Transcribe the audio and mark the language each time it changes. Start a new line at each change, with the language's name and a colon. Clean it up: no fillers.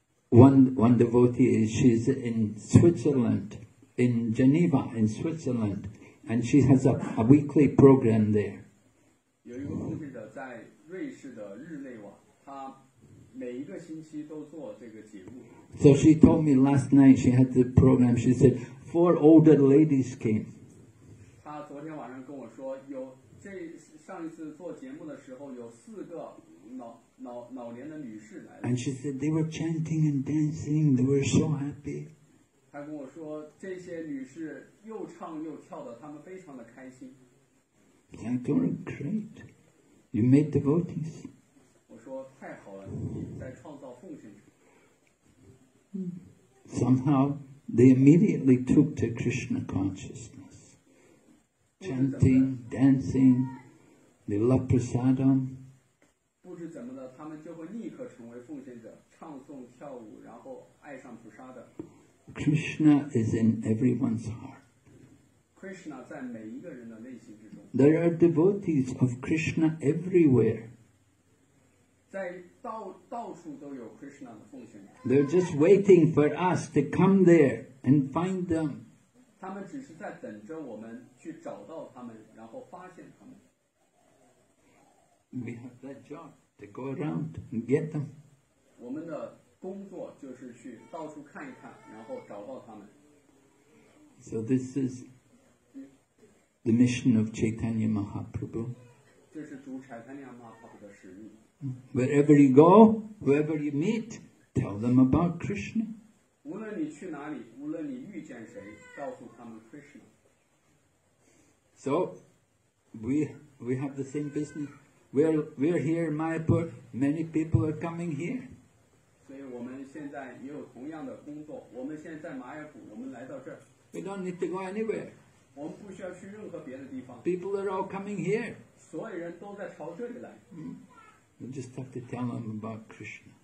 English: One devotee is, she's in Switzerland, in Geneva, in Switzerland, and she has a weekly program there.
Chinese: 有一个富士的在瑞士的日内瓦，她每一个星期都做这个节目。
English: So she told me last night she had the program. She said four older ladies came.
Chinese: 她昨天晚上跟我说，有这上一次做节目的时候有四个老年的女士来了。
English: And she said they were chanting and dancing. They were so happy.
Chinese: 她跟我说，这些女士又唱又跳的，她们非常的开心。
English: Yeah, they were great. You made devotees.
Chinese: 我说太好了，你在创造奉献者。
English: Somehow they immediately took to Krishna consciousness. Chanting, dancing, they love prasadam.
Chinese: 不知怎么的，他们就会立刻成为奉献者，唱诵跳舞，然后爱上菩萨的。
English: Krishna is in everyone's heart.
Chinese: Krishna 在每一个人的内心之中。
English: There are devotees of Krishna everywhere.
Chinese: 在到处都有 Krishna 的奉献者。
English: They're just waiting for us to come there and find them.
Chinese: 他们只是在等着我们去找到他们，然后发现他们。
English: We have that job to go around and get them.
Chinese: 我们的工作就是去到处看一看，然后找到他们。
English: So this is the mission of Chaitanya Mahaprabhu.
Chinese: 这是主 Chaitanya Mahaprabhu 的使命。
English: Wherever you go, whoever you meet, tell them about Krishna.
Chinese: 无论你去哪里，无论你遇见谁，告诉他们 Krishna.
English: So we have the same business. We're here in Mayapur. Many people are coming here.
Chinese: 所以我们现在也有同样的工作。我们现在在马尔普，我们来到这儿。
English: We don't need to go anywhere.
Chinese: 我们不需要去任何别的地方。
English: People are all coming here.
Chinese: 所有人都在朝这里来。
English: We just have to tell them about Krishna.